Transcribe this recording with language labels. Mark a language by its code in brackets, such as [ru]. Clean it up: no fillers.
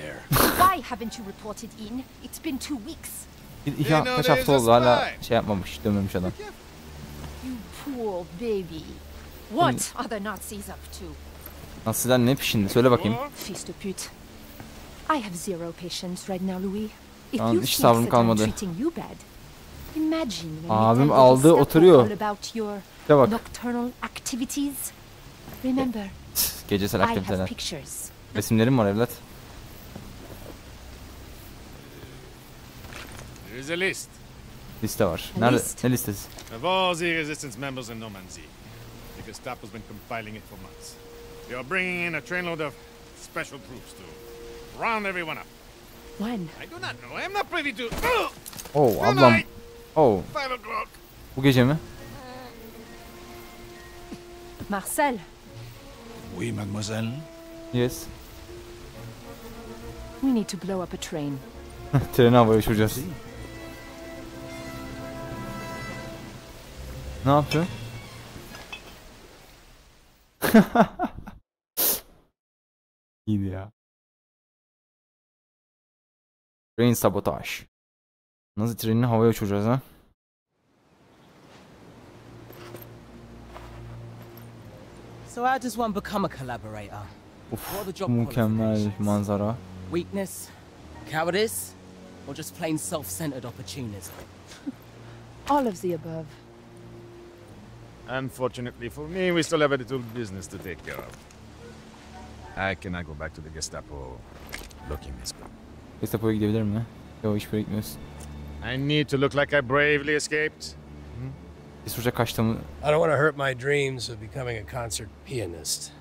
[en] Why haven't you reported in? It's been 2 weeks. [tr] Kaç hafta oldu, hala şey yapmamış, dönmemiş adam. [en] You poor baby. What are the Nazis up to? [tr] Nasıl, ne peşinde? Söyle bakayım. [fr] Fils de pute. [en] I have zero patience right now, Louis. If you think that I'm treating you bad, imagine when [tr] abim aldı oturuyor. De bak. [en] Nocturnal activities. Remember. [tr] Gecesel aktiviteler. Resimlerim var evlat. [en] There is a list. [tr] Liste var. Nerede? Ne listesi? [en] Of all the resistance members in Normandy. The Gestapo's been compiling it for months. You're bringing in a trainload of special troops to round everyone up. When? I do not know. I'm not privy to. [tr] Oh, ablam. Oh. [en] 5 o'clock. [tr] Bu gece mi? [en] Marcel. [fr] Oui, mademoiselle. [en] Yes. We need to blow up a train. [tr] Treni havaya uçuracağız. Ne yapıyor? İyiydi ya. Train sabotaj. Nasıl trenini havaya uçuracağız ha? [en] So how does one become a collaborator? [tr] Uf, mükemmel manzara. [en] Weakness, cowardice, or just plain self-centered opportunism? All of the above. Unfortunately for me, we still have a little business to take care of. I cannot go back to the Gestapo looking this good. [tr] Gestapo'ya gidebilir mi? Yok, hiçbir yere gitmiyorsun. [en] I need to look like I bravely escaped. [tr] Bir kaçtım. [en] I don't want to hurt my dreams of becoming a concert pianist.